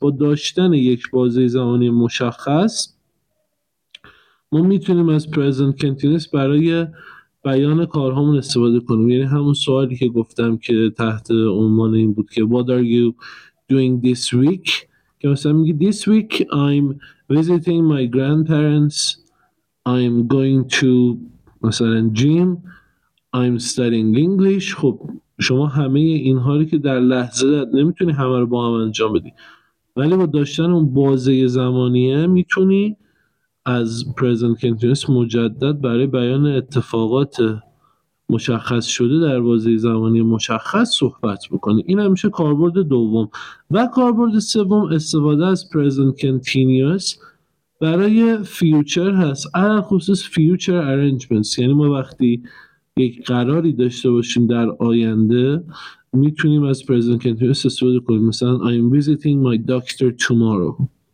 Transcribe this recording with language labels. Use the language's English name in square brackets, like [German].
[Persian] با داشتن یک بازه زمانی مشخص ما میتونیم از present continuous برای بیان کارهامون استفاده کنیم. یعنی همون سوالی که گفتم که تحت عنوان این بود که [English] What are you doing this week؟ [Persian] که مثلا میگه [English] This week I'm visiting my grandparents. I'm going to [Persian] مثلا [English] gym. I'm studying English. [Persian] خب شما همه اینها رو که در لحظه نمیتونی همه رو با هم انجام بدی، ولی با داشتن اون بازه زمانیه میتونی از present continuous مجدد برای بیان اتفاقات مشخص شده در بازه زمانی مشخص صحبت بکنه. این همیشه کاربرد دوم. و کاربرد سوم استفاده از present continuous برای future هست، علی خصوص future arrangements. یعنی ما وقتی یک قراری داشته باشیم در آینده میتونیم از present continuous استفاده کنیم. مثلا [English] I'm visiting my doctor tomorrow.